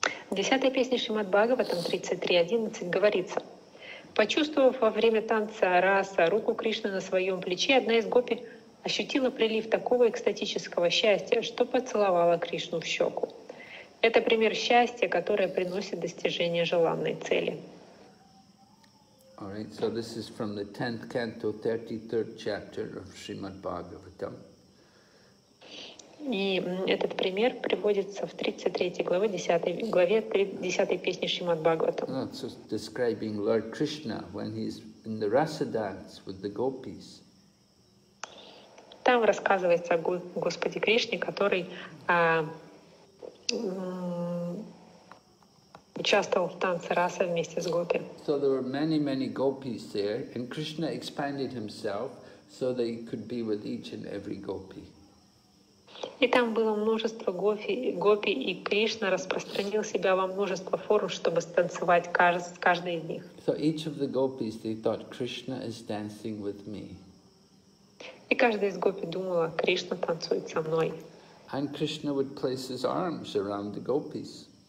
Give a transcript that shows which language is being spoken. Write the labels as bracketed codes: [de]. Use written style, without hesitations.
[ru] В 10-й песне Шримад Бхагаватам 33.11 говорится: почувствовав во время танца раса руку Кришны на своем плече, одна из гопи ощутила прилив такого экстатического счастья, что поцеловала Кришну в щеку. Это пример счастья, которое приносит достижение желанной цели. [en] All right, so this is from the 10th canto, 33rd chapter of Srimad Bhagavatam. [ru] И этот пример приводится в 33 главе 10 песни Шримад Бхагаватам. [en] No, it's just describing Lord Krishna when he's in the rasa dance with the gopis. [ru] Там рассказывается о Господе Кришне, который участвовал в танце раса вместе с гопи. [en] So there were many, many gopis there, and Krishna expanded himself so that he could be with each and every gopi. [ru] И там было множество гопи, и Кришна распространил себя во множество форм, чтобы станцевать с каждой из них. [en] So each of the gopis, they thought, Krishna is dancing with me. [ru] И каждая из гопи думала, Кришна танцует со мной. [en] And Krishna would place his arms around the gopis.